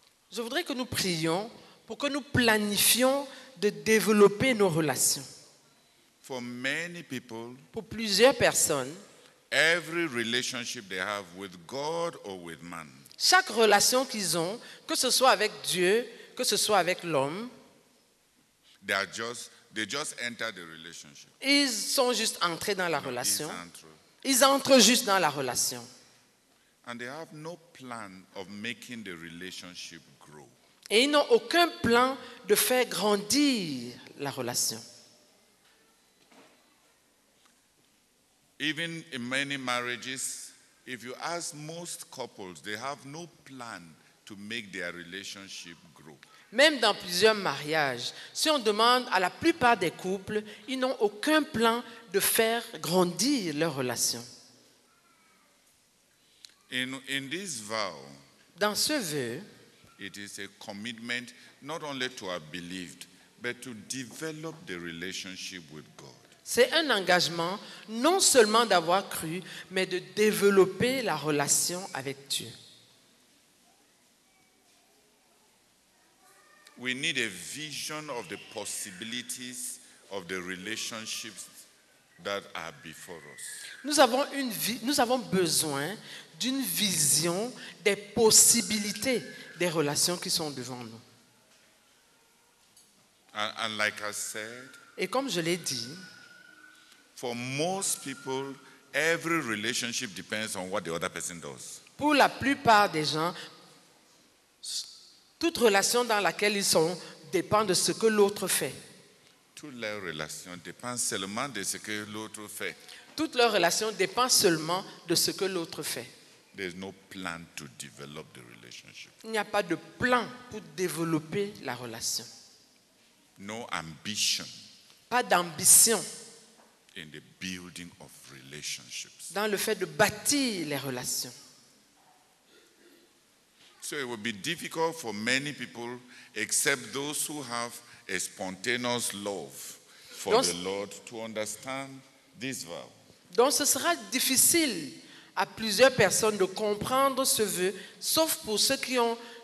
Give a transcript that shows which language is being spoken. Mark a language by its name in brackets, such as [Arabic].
[French] Je voudrais que nous prions pour que nous planifions de développer nos relations. [English] For many people, [French] pour plusieurs personnes, [English] every relationship they have with God or with man, [French] chaque relation qu'ils ont, que ce soit avec Dieu, que ce soit avec l'homme, [English] they just enter the relationship. [French] Ils sont juste entrés dans la relation. Ils entrent juste dans la relation. [English] And they have no plan of making the relationship grow. [French] Et ils n'ont aucun plan de faire grandir la relation. [English] Even in many marriages, if you ask most couples, they have no plan to make their relationship grow. [French] Même dans plusieurs mariages, si on demande à la plupart des couples, ils n'ont aucun plan de faire grandir leur relation. [English] In this vow, [French] dans ce vœu, [English] it is a commitment not only to our belief, but to develop the relationship with God. [French] C'est un engagement non seulement d'avoir cru, mais de développer la relation avec Dieu. [English] We need a vision of the possibilities of the relationships that are before us. [French] Nous avons besoin d'une vision des possibilités des relations qui sont devant nous. [English] And like I said, [French] et comme je l'ai dit, [English] for most people, every relationship depends on what the other person does. [French] Pour la plupart des gens, toute relation dans laquelle ils sont dépend de ce que l'autre fait. Toute leur relation dépend seulement de ce que l'autre fait. Toute leur relation dépend seulement de ce que l'autre fait. [English] There's no plan to develop the relationship. [French] Il n'y a pas de plan pour développer la relation. [English] No ambition. [French] Pas d'ambition. [English] In the building of relationships. [French] Dans le fait de bâtir les relations. [English] So it will be difficult for many people, except those who have a spontaneous love for the Lord, to understand this vow. [French] Donc ce sera difficile à plusieurs personnes de comprendre ce vœu, sauf pour ceux qui ont